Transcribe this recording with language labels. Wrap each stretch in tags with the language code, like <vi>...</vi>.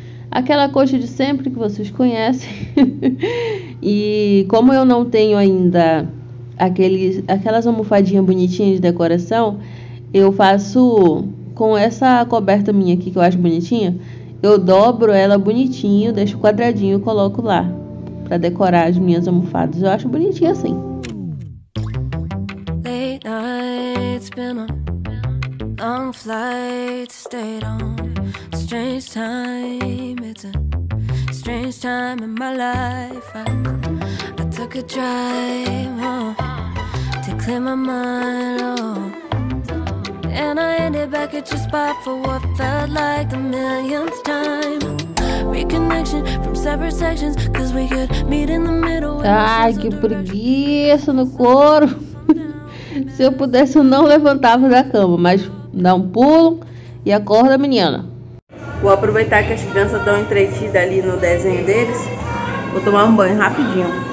<pt>Aquela coxa de sempre que vocês conhecem. E como eu não tenho ainda aquelas almofadinhas bonitinhas de decoração, eu faço com essa coberta minha aqui, que eu acho bonitinha. Eu dobro ela bonitinho, deixo quadradinho e coloco lá pra decorar as minhas almofadas. Eu acho bonitinho assim.</pt> <en>Late nights, been a long flight, stayed on. Strange time, it's a strange time in my life. I took a drive, oh, to clear my mind, oh. And I ended back at your spot for what felt like the millionth time. Reconnection from separate sections, cause we could meet in the middle.</en> <pt>Ai, que preguiça no couro. Se eu pudesse, eu não levantava da cama, mas dá um pulo e acorda, menina. Vou aproveitar que as crianças estão entretidas ali no desenho deles. Vou tomar um banho rapidinho.</pt>